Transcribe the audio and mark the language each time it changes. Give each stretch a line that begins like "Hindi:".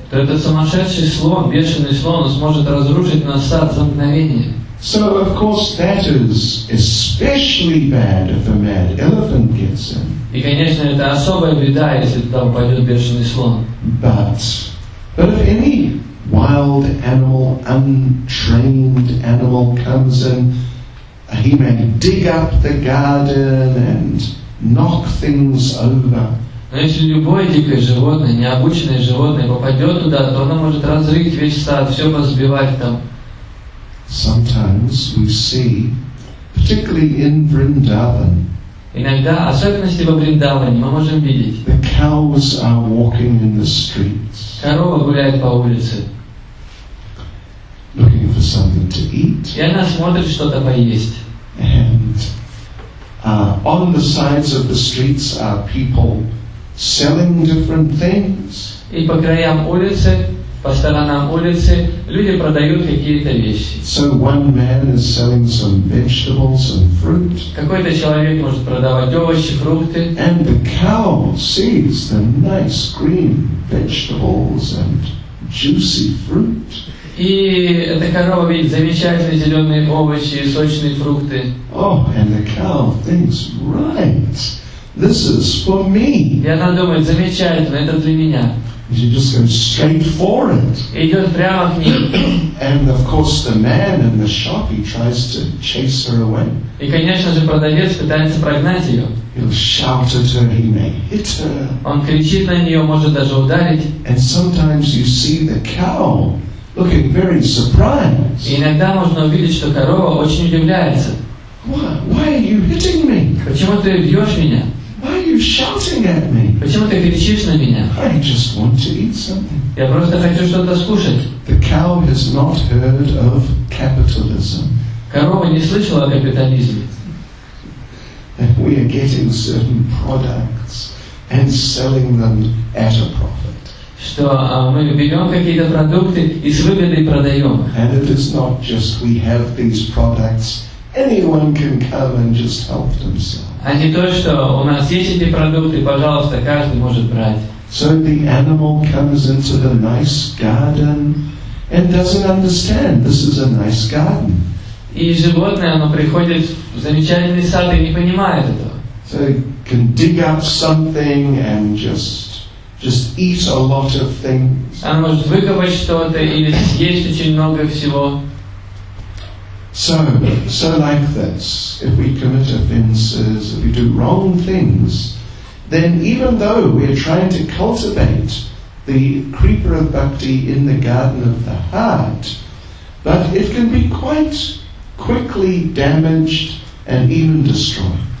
Russian: То этот сумасшедший слон, бешеный слон, сможет разрушить наш сад за мгновение.
English: So of course that is especially bad if a mad elephant gets in.
Russian: И конечно это особая беда, если туда попадет бешеный слон.
English: But if any wild animal, untrained animal comes in, he may dig up the garden and knock things over.
Russian: Но если любое дикое животное, необученное животное попадет туда, то оно может разрыть весь сад, все позбивать там.
English: Sometimes we see, particularly in Vrindavan,
Russian: иногда, особенности во Вриндаване, мы можем видеть,
English: the cows are walking in the streets.
Russian: Корова гуляет по улице.
English: Looking for something to eat.
Russian: И она смотрит что-то поесть.
English: And on the sides of the streets are people selling different things.
Russian: И по краям улицы, по сторонам улицы, люди продают какие-то вещи.
English: So one man is selling some vegetables and fruit.
Russian: Какой-то человек может продавать овощи, фрукты.
English: And the cow sees the nice green vegetables and juicy fruit.
Russian: И эта корова видит замечательные зеленые овощи и сочные фрукты.
English: Oh, and the cow thinks, right, this is for me.
Russian: И она думает, замечательно, это для меня.
English: And she just goes straight for it.
Russian: И идет прямо к ней.
English: And of course the man in the shop, he tries to chase her away.
Russian: И конечно же продавец пытается прогнать ее.
English: He'll shout at her, he may hit her.
Russian: Он кричит на нее, может даже ударить.
English: And sometimes you see the cow looking very surprised.
Russian: Иногда можно увидеть, что корова очень удивляется.
English: Why are you hitting me?
Russian: Почему ты бьешь меня?
English: Why are you shouting at me?
Russian: Почему ты кричишь на меня?
English: I just want to eat something.
Russian: Я просто хочу что-то скушать.
English: The cow has not heard of capitalism.
Russian: Корова не слышала о капитализме.
English: that we are getting certain products and selling them at a profit.
Russian: Что мы берем какие-то продукты и с выгодой продаем.
English: And it is not just we have these products, anyone can come and just help themselves.
Russian: А не то, что у нас есть эти продукты, пожалуйста, каждый может брать.
English: So the animal comes into the nice garden and doesn't understand this is a nice garden.
Russian: И животное, оно приходит в замечательный сад и не понимает этого.
English: So it can dig up something and just eat a lot of things.
Russian: Оно может выкопать что-то или съесть очень много всего.
English: So like this, if we commit offenses, if we do wrong things, then even though we are trying to cultivate the creeper of bhakti in the garden of the heart, but it can be quite quickly damaged and even destroyed.